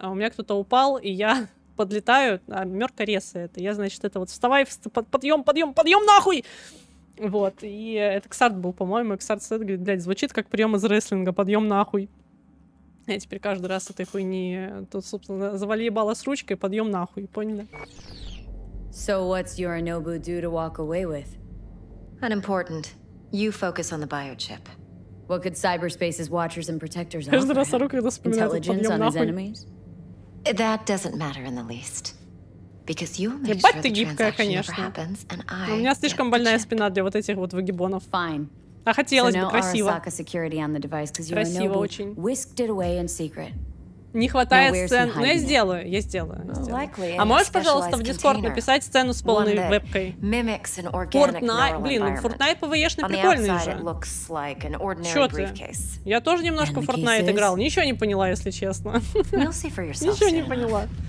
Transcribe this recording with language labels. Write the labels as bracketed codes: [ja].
[ru] А у меня кто-то упал, и я подлетаю, а мёрка реса это. Я, значит, это вот вставай, подъем, подъем, подъем нахуй! Вот. И это Ксарт был, по-моему. Ксарт стоит, говорит, блядь, звучит как прием из рестлинга. Подъем нахуй. Я теперь каждый раз этой хуйни тут, собственно, завали ебало с ручкой, подъем нахуй, поняли? [en] So what's Yorinobu do to walk away with? Unimportant. You focus on the biochip. What could cyberspace's watchers and protectors offer him? Intelligence on his enemies? That doesn't matter in the least, because you'll make sure the transaction never happens, and I get the chip. [ru] У меня слишком больная спина для вот этих вот выгибонов. [en] Fine. [ru] А хотелось бы красиво. [en] Arasaka security on the device, because Yorinobu whisked it away in secret. [ru] Не хватает сцен. Ну, я сделаю. А можешь, пожалуйста, в Discord написать сцену с полной вебкой? Fortnite, блин, Fortnite PvE-шный прикольный же. Чё ты? Я тоже немножко Fortnite играл. Ничего не поняла, если честно. Ничего не поняла.